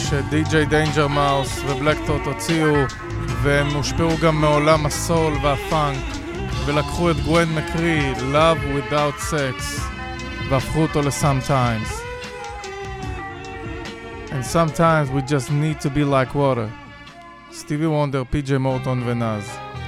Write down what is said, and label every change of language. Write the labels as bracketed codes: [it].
[he] די-ג'יי דיינג'ר מאוס ובלק טוט הוציאו, והם הושפעו גם מעולם הסול והפאנק, ולקחו את גווין מקרי, Love Without Sex, והפכו אותו ל-Sometimes. [en] And sometimes we just need to be like water. [he] סטיבי וונדר, פי-ג'י מורטון ונאז.